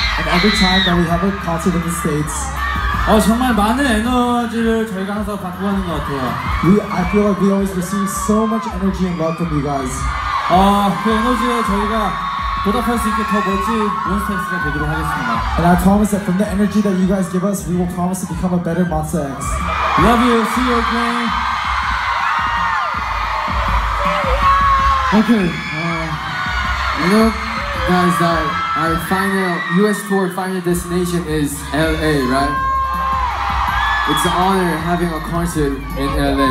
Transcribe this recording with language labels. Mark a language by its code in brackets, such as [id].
[en] And every time that we have a concert in the States [ko] 정말 많은 에너지를 저희가 항상 받고 가는 것 같아요. [en] I feel like we always receive so much energy and love from you guys. [ko] 그 에너지에 저희가 보답할 수 있게 더 멋진 몬스터엑스가 되도록 하겠습니다. [en] And I promise that from the energy that you guys give us, we will promise to become a better Monsta-X. Love you, see you again. Okay. You know, guys, that our final U.S. tour final destination is L.A., right? It's an honor having a concert in L.A.